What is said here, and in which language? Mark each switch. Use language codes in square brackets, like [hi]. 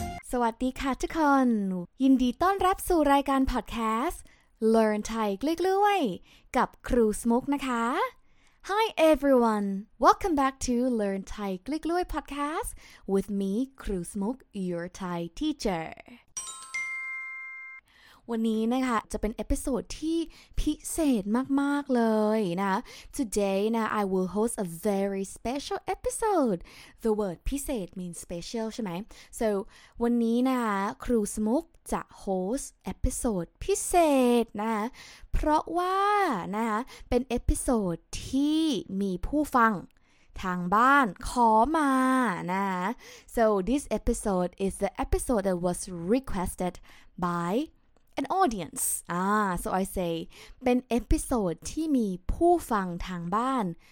[th] สวัสดีค่ะทุกคนยินดีต้อนรับสู่รายการ podcast Learn Thai Glue Glue กับครูสมุกนะคะ [en] Hi everyone! Welcome back to Learn Thai Glue Glue podcast with me, Krul Smuk, your Thai teacher. [th] วันนี้นะคะจะเป็นเอพิโซดที่พิเศษมากๆเลยนะ [en] Today นะ I will host a very special episode. The word พิเศษ means special [th] ใช่ไหม [en] So [th] วันนี้นะครูสมุกจะ host เอพิโซดพิเศษนะเพราะว่านะเป็นเอพิโซดที่มีผู้ฟังทางบ้านขอมานะ [en] So this episode is the episode that was requested byan audience so I say [th] เป็นเอพิโซดที่มีผู้ฟังทางบ้าน